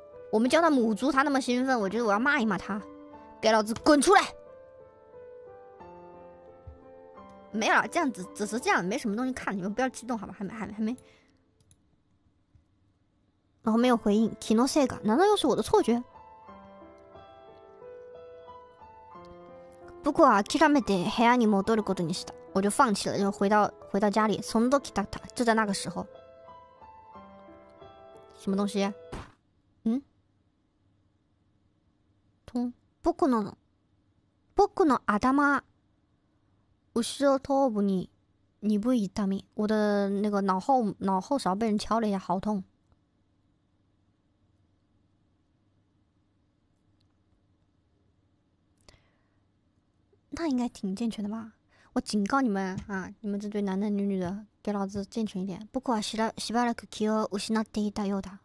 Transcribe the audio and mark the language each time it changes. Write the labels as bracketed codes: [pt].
[zh] 我们教他母猪，他那么兴奋，我觉得我要骂一骂他。给老子滚出来！没有了，这样子只是这样，没什么东西看，你们不要激动好吧？还没。然后没有回应， [ja] 気のせいか？ [zh] 难道又是我的错觉？ [ja] 僕は諦めて部屋に戻ることにした。 [zh] 我就放弃了，就回到家里。 [ja] その時だった， [zh] 就在那个时候。什么东西？通。 [ja] 僕の頭後ろ頭部に鈍い痛み。 [zh] 我的那个脑后勺被人敲了一下，好痛。那应该挺健全的吧？我警告你们啊，你们这对男男女女的，给老子健全一点。 [ja] 僕はしばらく気を失っていたようだ。